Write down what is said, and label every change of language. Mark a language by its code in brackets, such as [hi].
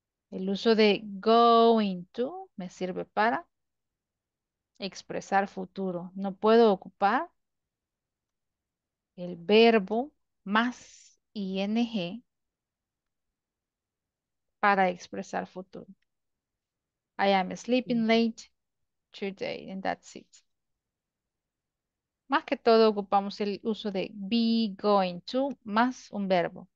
[es] El uso de going to me sirve para expresar futuro. No puedo ocupar el verbo más ing para expresar futuro. [en] I am sleeping late today, and that's it. [es] Más que todo ocupamos el uso de be going to más un verbo.